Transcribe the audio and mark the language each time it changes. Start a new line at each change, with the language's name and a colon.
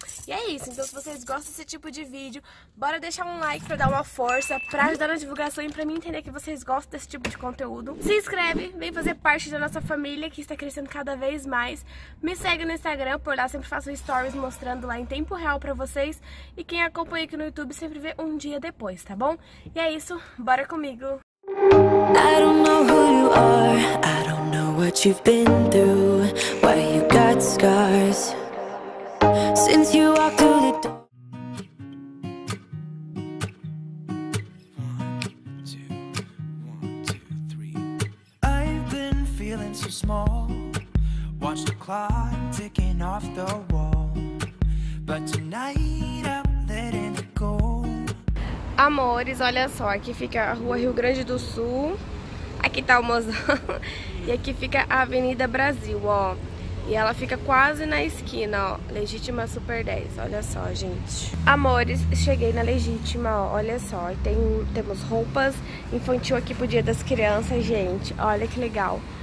Portuguese: E é isso, então se vocês gostam desse tipo de vídeo, bora deixar um like pra dar uma força, pra ajudar na divulgação e pra mim entender que vocês gostam desse tipo de conteúdo. Se inscreve, vem fazer parte da nossa família que está crescendo cada vez mais. Me segue no Instagram, por lá sempre faço stories mostrando lá em tempo real pra vocês. E quem acompanha aqui no YouTube sempre vê um dia depois, tá bom? E é isso, bora comigo!
English: I don't know who you are, I don't know what you've been through, why you got scars. Since you walked through the door. One, two, one, two, three. I've been feeling so small. Watch the clock ticking off the wall. But tonight I'm letting it go.
Portuguese: Amores, olha só, aqui fica a rua Rio Grande do Sul. Aqui tá o mozão. E aqui fica a Avenida Brasil, ó. E ela fica quase na esquina, ó, Legítima Super 10, olha só, gente. Amores, cheguei na Legítima, ó, olha só, temos roupas infantil aqui pro Dia das Crianças, gente, olha que legal.